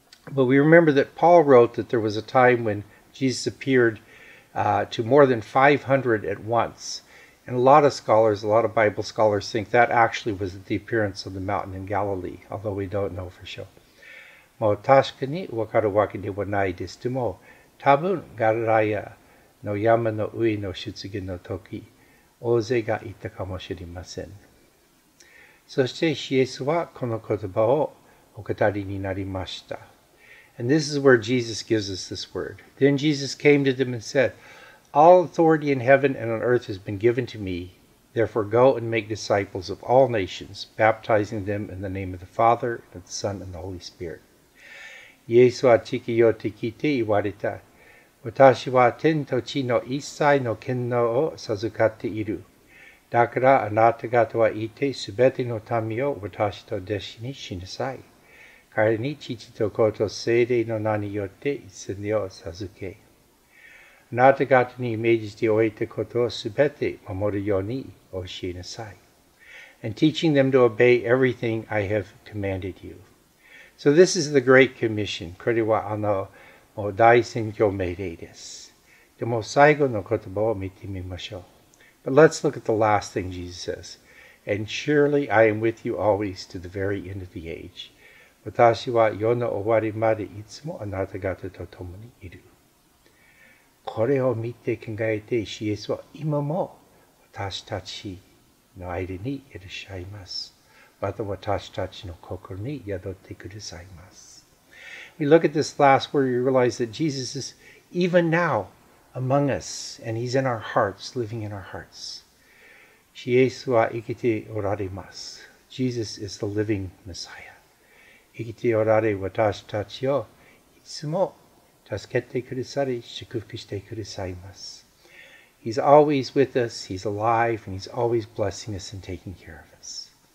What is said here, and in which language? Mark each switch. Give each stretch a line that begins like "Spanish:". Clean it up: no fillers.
English: But we remember that Paul wrote that there was a time when Jesus appeared to more than 500 at once. And a lot of scholars, a lot of Bible scholars think that actually was the appearance of the mountain in Galilee, although we don't know for sure.
Japanese: もう確かにわかるわけではないですでも、多分ガラダヤの山の上の出現の時、大勢がいたかもしれません。そしてイエスはこの言葉をお語りになりました。
English: And this is where Jesus gives us this word. Then Jesus came to them and said, All authority in heaven and on earth has been given to me. Therefore go and make disciples of all nations, baptizing them in the name of the Father, and of the Son, and the Holy Spirit.
Japanese: イエスは地球を聞いて言われた。私は天と地の一切の権能を授かっている。だからあなた方は言って、すべての民を私と弟子にしなさい。彼に父と子と聖霊の名によって洗礼を授け。あなた方に命じておいたことをすべて守るように教えなさい。
English: And teaching them to obey everything I have commanded you. So this is the Great Commission.
Japanese: これは大宣教命令です。でも最後の言葉を見てみましょう。
English: But let's look at the last thing Jesus says. And surely I am with you always to the very end of the age.
Japanese: 私は世の終わりまでいつもあなた方と共にいる。これを見て考えて、イエスは今も私たちの間にいらっしゃいます。また私たちの心に宿ってくださいます。
English: We look at this last where you realize that Jesus is even now among us and he's in our hearts, living in our hearts.
Japanese: 主イエスは生きておられます。
English: Jesus is the living Messiah.
Japanese: 生きておられ私たちをいつも助けてくださり、祝福してくださいます。
English: He's always with us, He's alive, and He's always blessing us and taking care of us.